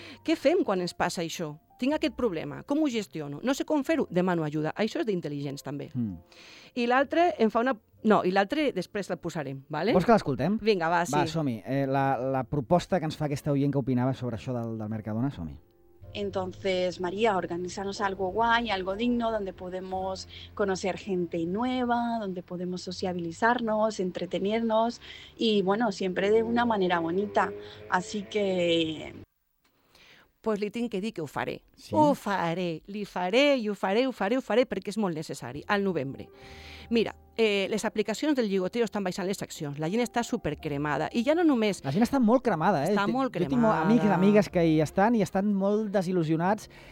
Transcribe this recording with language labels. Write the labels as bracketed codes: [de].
[ca] Què fem quan ens passa això? Tinc aquest problema, com ho gestiono? No sé com fer-ho, demano ajuda. Això és d'intel·ligents, també. Mm. I l'altre em fa una... No, i l'altre després la posarem, ¿vale? Vols que l'escoltem? Vinga, va, sí. Va, som-hi. La proposta que ens fa aquesta oient que opinava sobre això del Mercadona, som-hi. [es] Entonces, María, organízanos algo guay, algo digno, donde podemos conocer gente nueva, donde podemos sociabilizarnos, entretenernos, y bueno, siempre de una manera bonita. Así que... [ca] Pues li tinc que dir que ho faré. Sí. Ho faré, li faré, i ho faré, perquè és molt necessari, al novembre. Mira, les aplicacions del lligoteo estan baixant les accions. La gent està supercremada. I ja no només... La gent està molt cremada, Està molt cremada. Jo tinc amics i amigues que hi estan i estan molt desil·lusionats.